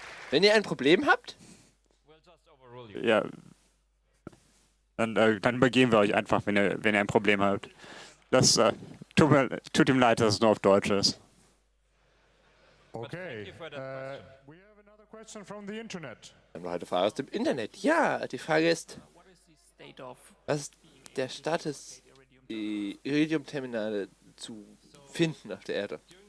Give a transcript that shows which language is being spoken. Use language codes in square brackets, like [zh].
[de] Wenn ihr ein Problem habt, ja, dann übergeben wir euch einfach, wenn ihr ein Problem habt. Das tut ihm leid, dass es nur auf Deutsch ist. [en] Okay, we have another question from the Internet. [de] Wir haben eine Frage aus dem Internet. Ja, die Frage ist, was ist der Status, die Iridium-Terminale zu finden auf der Erde?